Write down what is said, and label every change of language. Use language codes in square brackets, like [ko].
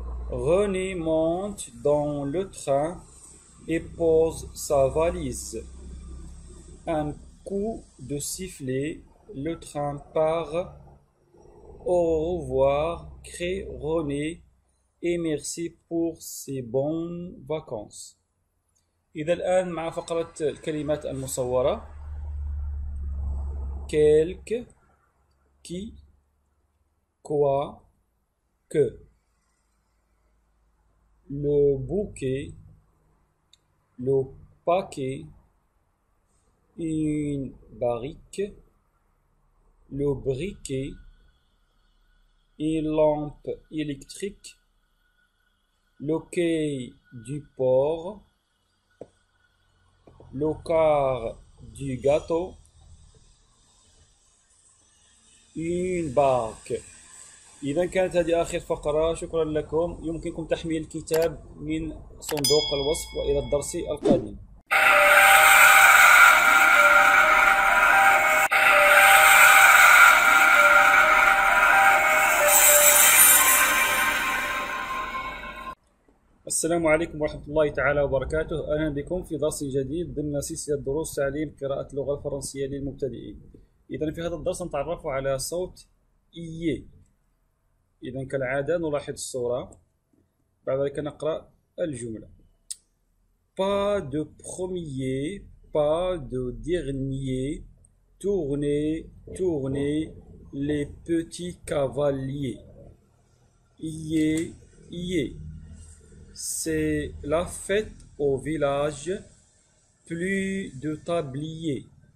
[fr] René monte dans le train et pose sa valise. Un coup de sifflet, le train part. Au revoir, crée René, et merci pour ces bonnes vacances. [ar] إذا الآن مع فقرة الكلمات المصورة. [fr] Quelque, qui, quoi, que. Le bouquet, le paquet. Une barrique, le briquet, une lampe électrique, le quai du port, le quart du gâteau, une barque. [ar] إذا كانت هذه آخر فقرة، شكرا لكم، يمكنكم تحميل الكتاب من صندوق الوصف، وإلى الدرس القادم. السلام عليكم ورحمة الله تعالى وبركاته، أهلا بكم في درس جديد ضمن سلسلة دروس تعليم قراءة اللغة الفرنسية للمبتدئين. إذا في هذا الدرس نتعرف على صوت إيه. إذا كالعادة نلاحظ الصورة، بعد ذلك نقرأ الجملة. [fr] Pas de premier, pas de dernier, tournez, tournez les petits cavaliers. Yé, yé. C'est la fête au village, plus de tabliers.